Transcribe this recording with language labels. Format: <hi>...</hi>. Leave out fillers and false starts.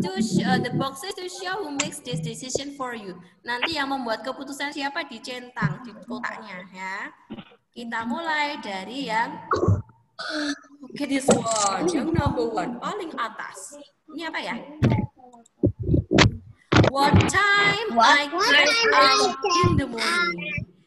<en>To show the boxes to show who makes this decision for you.</en> <id>Nanti yang membuat keputusan siapa dicentang di kotaknya ya. Kita mulai dari yang</id> <en>okay, this one,</en> <id>yang number one, paling atas. Ini apa ya?</id> <en>What time I get up in the morning?</en>